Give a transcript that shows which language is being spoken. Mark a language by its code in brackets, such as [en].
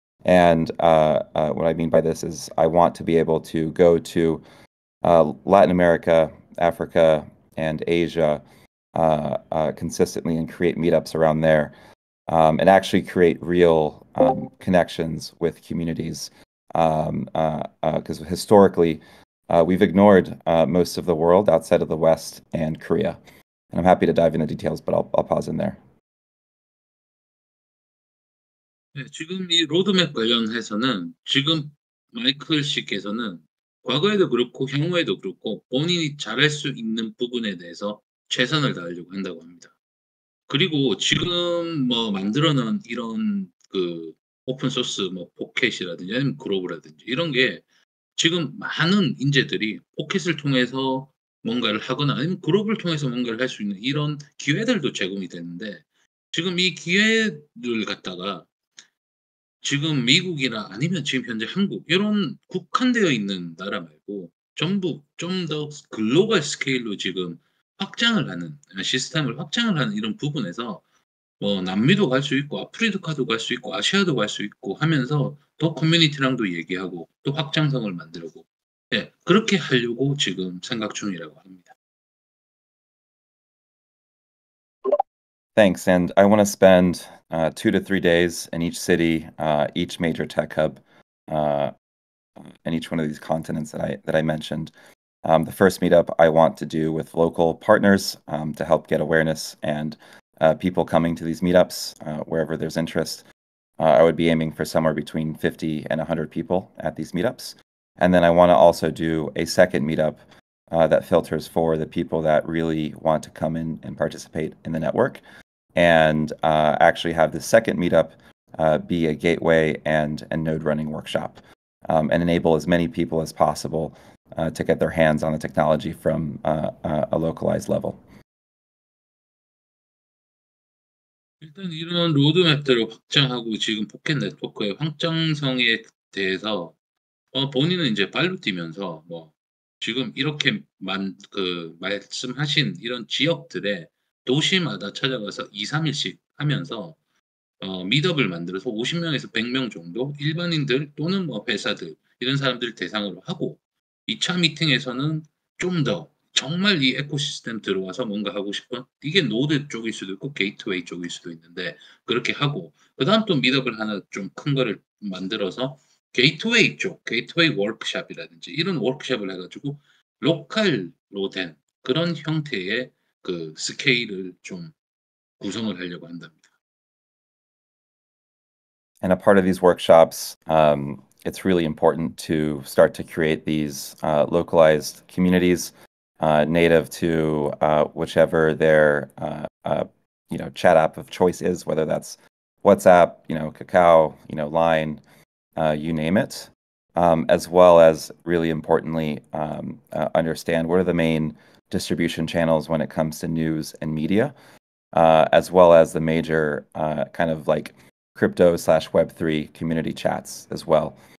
[en] And what I mean by this is I want to be able to go to Latin America, Africa, and Asia consistently and create meetups around there and actually create real connections with communities. Because historically, we've ignored most of the world outside of the West and Korea. And I'm happy to dive into details, but I'll pause in there. [ko] 지금 이 로드맵 관련해서는 지금 마이클 씨께서는 과거에도 그렇고 향후에도 그렇고 본인이 잘할 수 있는 부분에 대해서 최선을 다하려고 한다고 합니다. 그리고 지금 뭐 만들어놓은 이런 그 오픈소스 뭐 포켓이라든지 아니면 그로브라든지 이런 게 지금 많은 인재들이 포켓을 통해서 뭔가를 하거나 아니면 그로브를 통해서 뭔가를 할 수 있는 이런 기회들도 제공이 되는데 지금 이 기회를 갖다가 지금 미국이나 아니면 지금 현재 한국 이런 국한되어 있는 나라 말고 전부 좀 더 글로벌 스케일로 지금 확장을 하는 시스템을 확장을 하는 이런 부분에서 뭐 남미도 갈 수 있고 아프리카도 갈 수 있고 아시아도 갈 수 있고 하면서 더 커뮤니티랑도 얘기하고 또 확장성을 만들고 예 그렇게 하려고 지금 생각 중이라고 합니다. [en] Thanks, and I want to spend 2 to 3 days in each city, each major tech hub, in each one of these continents that I mentioned. The first meetup I want to do with local partners to help get awareness and people coming to these meetups wherever there's interest. I would be aiming for somewhere between 50 and 100 people at these meetups. And then I want to also do a second meetup that filters for the people that really want to come in and participate in the network. And actually have the second meetup be a gateway and node running workshop and enable as many people as possible to get their hands on the technology from a localized level. [ko] 일단 이런 로드맵들을 확장하고 지금 포켓 네트워크의 확장성에 대해서 본인은 이제 발로 뛰면서 뭐 지금 이렇게 말씀하신 이런 지역들에 도시마다 찾아가서 2, 3일씩 하면서 미드업을 만들어서 50명에서 100명 정도 일반인들 또는 뭐 회사들 이런 사람들 대상으로 하고 2차 미팅에서는 좀 더 정말 이 에코시스템 들어와서 뭔가 하고 싶은 이게 노드 쪽일 수도 있고 게이트웨이 쪽일 수도 있는데 그렇게 하고 그 다음 또 미드업을 하나 좀 큰 거를 만들어서 게이트웨이 쪽, 게이트웨이 워크샵이라든지 이런 워크샵을 해가지고 로컬로 된 그런 형태의 그 스케일을 좀 구성을 하려고 한답니다. [en] And a part of these workshops, it's really important to start to create these localized communities native to whichever their you know chat app of choice is, whether that's WhatsApp, you know, Kakao, you know, Line, you name it, as well as really importantly understand what are the main distribution channels when it comes to news and media, as well as the major kind of like crypto slash Web3 community chats as well.